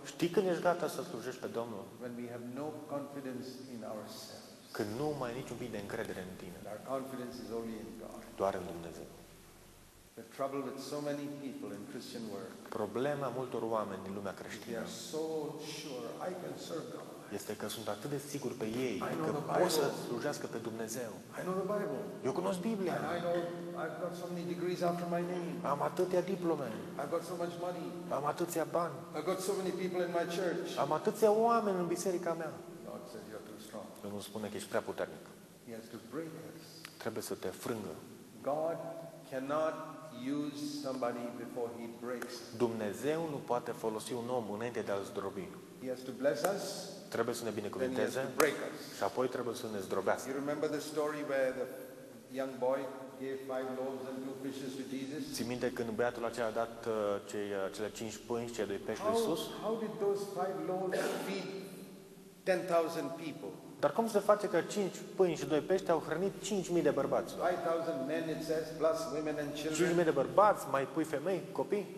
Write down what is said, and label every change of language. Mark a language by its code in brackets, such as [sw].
[ro] Știi când ești gata să slujești pe Domnul? [en] When we have no confidence in ourselves. [ro] Când nu mai ai niciun pic de încredere în tine. [en] Our confidence is only in God. [ro] Doar în Dumnezeu. [en] The trouble with so many people in Christian work. [ro] Problema multor oameni din lumea creștină. [en] They are so sure I can serve God. [ro] Este că sunt atât de sigur pe ei că pot să slujească pe Dumnezeu. [en] I know the Bible. [ro] Eu cunosc Biblia. [en] And I know I've got so many degrees after my name. [ro] Am atâtea diplome. [en] I've got so much money. [ro] Am atâția bani. [en] I've got so many people in my church. [ro] Am atâția oameni în biserica mea. [en] God said you're too strong. [ro] Domnul spune că ești prea puternic. [en] He has to break us. [ro] Trebuie să te frângă. [en] God cannot use somebody before he breaks. [ro] Dumnezeu nu poate folosi un om înainte de a-l zdrobi. [en] He has to bless us. [ro] Trebuie să ne binecuvinteze și apoi trebuie să ne zdrobească. [en] You remember the story where the young boy gave 5 loaves and 2 fishes to Jesus? [ro] Ți minte când băiatul acela a dat cele 5 pâini și cei 2 pești lui Iisus? [en] How did those 5 loaves feed 10,000 people? [ro] Dar cum se face că 5 pâini și 2 pești au hrănit 5,000 de bărbați? [en] 5,000 men it says plus women and children. [ro] 5,000 de bărbați mai pui femei, copii?